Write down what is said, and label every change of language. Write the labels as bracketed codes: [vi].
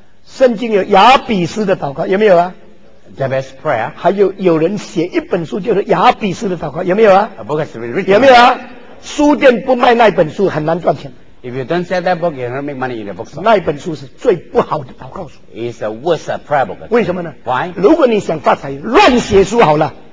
[zh] 圣经有亚比斯的祷告，有没有啊？ [en] Jabez prayer [zh] 还有有人写一本书叫做亚比斯的祷告有没有啊 [en] a book has been written [zh] 有没有啊书店不卖那本书很难赚钱 [en] If you don't sell that book you don't make money in the bookstore [zh] 那本书是最不好的祷告书 [en] It's the worst prayer book [zh] 为什么呢 [en] Why [zh] 如果你想发财乱写书好了